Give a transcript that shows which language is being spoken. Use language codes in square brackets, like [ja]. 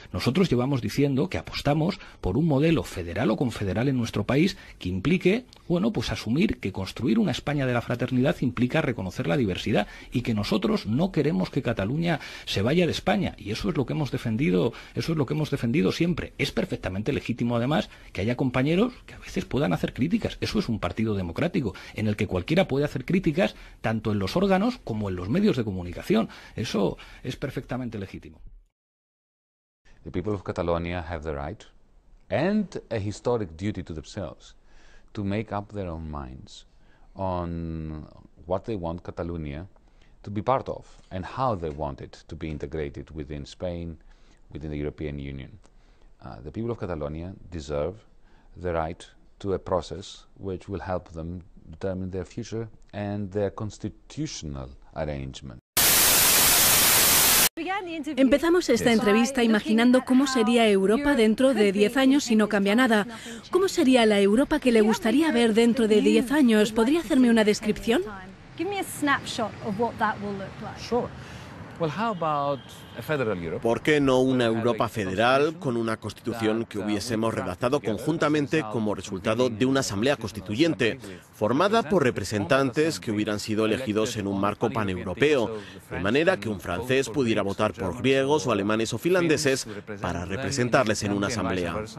[es] Nosotros llevamos diciendo que apostamos por un modelo federal o confederal en nuestro país que implique, bueno, pues asumir que construir una España de la fraternidad implica reconocer la diversidad y que nosotros no queremos que Cataluña se vaya de España. Y eso es lo que hemos defendido, eso es lo que hemos defendido siempre. Es perfectamente legítimo, además, que haya compañeros que a veces puedan hacer críticas. Eso es un partido democrático, en el que cualquiera puede hacer críticas tanto en los órganos como en los medios de comunicación. Eso es perfectamente legítimo. [en] The people of Catalonia have the right and a historic duty to themselves to make up their own minds on what they want Catalonia to be part of and how they want it to be integrated within Spain, within the European Union. The people of Catalonia deserve the right to a process which will help them determine their future and their constitutional arrangement. [es] Empezamos esta entrevista imaginando cómo sería Europa dentro de 10 años si no cambia nada. ¿Cómo sería la Europa que le gustaría ver dentro de 10 años? ¿Podría hacerme una descripción? [en] Give me a snapshot of what that will look like. Sure. Well, how about a federal Europe? [es] ¿Por qué no una Europa federal con una constitución que hubiésemos redactado conjuntamente como resultado de una asamblea constituyente, formada por representantes que hubieran sido elegidos en un marco paneuropeo, de manera que un francés pudiera votar por griegos o alemanes o finlandeses para representarles en una asamblea?